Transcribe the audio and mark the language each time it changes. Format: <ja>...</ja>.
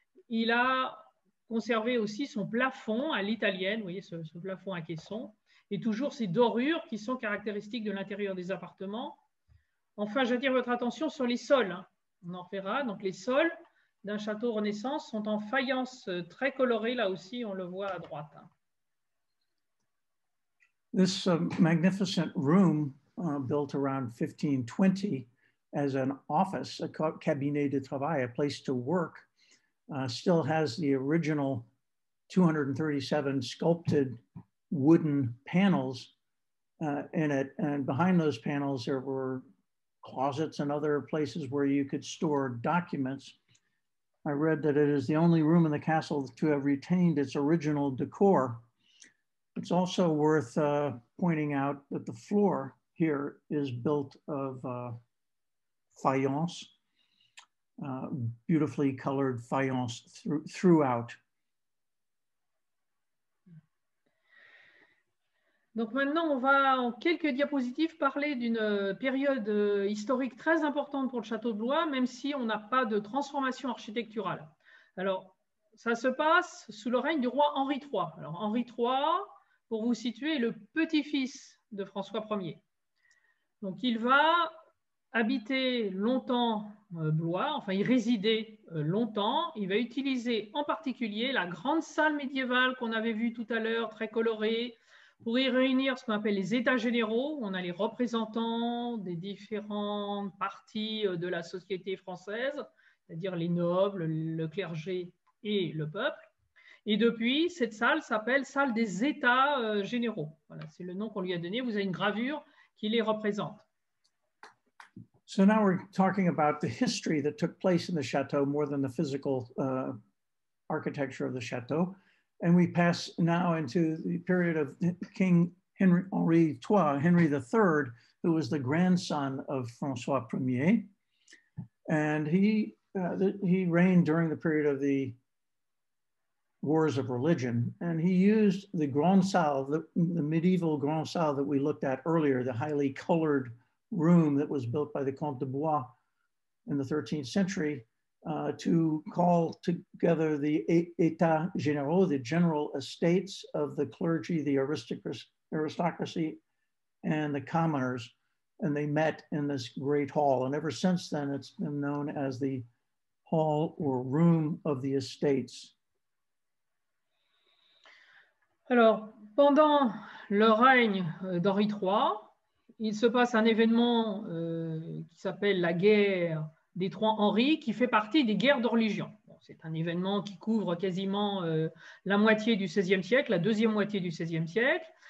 <fr>Il a conservé aussi son plafond à l'italienne, vous voyez ce plafond à caissons, et toujours ces dorures qui sont caractéristiques de l'intérieur des appartements. Enfin, j'attire votre attention sur les sols. On en verra, donc les sols d'un château Renaissance sont en faïence très colorée, là aussi on le voit à droite.</fr> <en>This magnificent room built around 1520 as an office, a</en> <fr>cabinet de travail,</fr> <en>a place to work, still has the original 237 sculpted wooden panels in it, and behind those panels there were closets and other places where you could store documents. I read that it is the only room in the castle to have retained its original decor. It's also worth pointing out that the floor here is built of faience, beautifully colored faience throughout.</en> <fr>Donc maintenant, on va en quelques diapositives parler d'une période historique très importante pour le château de Blois, même si on n'a pas de transformation architecturale. Alors, ça se passe sous le règne du roi Henri III. Alors, Henri III, pour vous situer, est le petit-fils de François Ier. Donc, il va habiter longtemps Blois, enfin, y résider longtemps. Il va utiliser en particulier la grande salle médiévale qu'on avait vue tout à l'heure, très colorée, pour y réunir ce qu'on appelle les états généraux. On a les représentants des différentes parties de la société française, c'est-à-dire les nobles, le clergé et le peuple. Et depuis, cette salle s'appelle salle des états généraux. Voilà, c'est le nom qu'on lui a donné. Vous avez une gravure qui les représente.</fr> <en>So now we're talking about the history that took place in the château more than the physical architecture of the château. And we pass now into the period of King Henri III, Henry III, who was the grandson of François Ier. And he reigned during the period of the wars of religion. And he used the Grand Salle, the medieval Grand Salle that we looked at earlier, the highly colored room that was built by the Comte de Blois in the 13th century, to call together the états généraux, the general estates of the clergy, the aristocracy, and the commoners and they met in this great hall. And ever since then, it's been known as the hall or room of the estates.</en> <fr>Alors, pendant le règne d'Henri III, il se passe un événement qui s'appelle la guerre des trois Henri, qui fait partie des guerres de religion. Bon, c'est un événement qui couvre quasiment la moitié du XVIe siècle, la deuxième moitié du XVIe siècle.</fr>